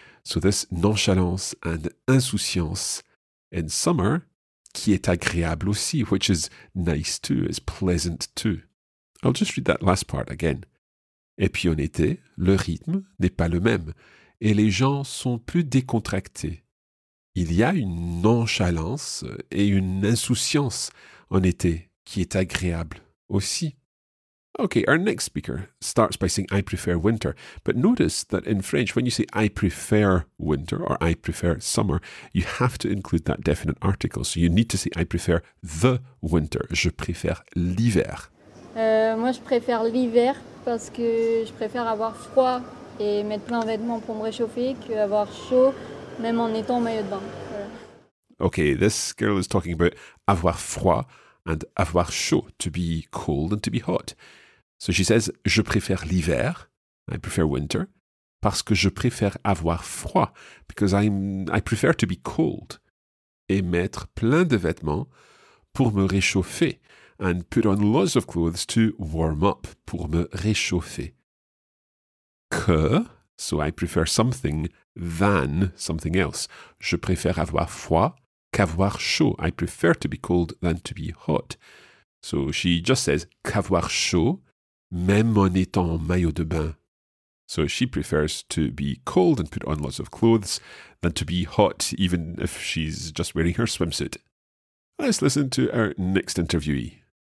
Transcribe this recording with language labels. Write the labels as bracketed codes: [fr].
[en] So this nonchalance and insouciance in summer, [fr] qui est agréable aussi, [en] which is nice too, is pleasant too. I'll just read that last part again. [fr] Et puis en été, le rythme n'est pas le même et les gens sont plus décontractés. Il y a une nonchalance et une insouciance en été qui est agréable aussi. [en] Okay, our next speaker starts by saying, I prefer winter. But notice that in French, when you say, I prefer winter or I prefer summer, you have to include that definite article. So you need to say, I prefer the winter. [fr] Je préfère l'hiver. Moi, je préfère l'hiver parce que je préfère avoir froid et mettre plein de vêtements pour me réchauffer qu'avoir chaud, même en étant en maillot de bain. [en] Okay, this girl is talking about avoir froid and avoir chaud, to be cold and to be hot. So she says, [fr] je préfère l'hiver, [en] I prefer winter, [fr] parce que je préfère avoir froid, [en] because I prefer to be cold, [fr] et mettre plein de vêtements pour me réchauffer, [en] and put on lots of clothes to warm up, [fr] pour me réchauffer. [en] Que, so I prefer something than something else. [fr] Je préfère avoir froid qu'avoir chaud. [en] I prefer to be cold than to be hot. So she just says, [fr] qu'avoir chaud, même en étant en maillot de bain. [en] So she prefers to be cold and put on lots of clothes than to be hot, even if she's just wearing her swimsuit. Let's listen to our next interviewee.